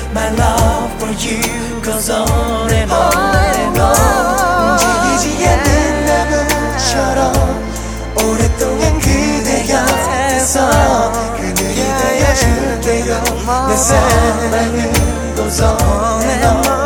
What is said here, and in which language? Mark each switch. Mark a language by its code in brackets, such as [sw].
[en] My love for you goes on and on and on. [ko] 움직이지 않는 나무처럼 오랫동안 그대 곁에서 그늘이 되어줄게요. 내 사랑은 [en] goes on and on.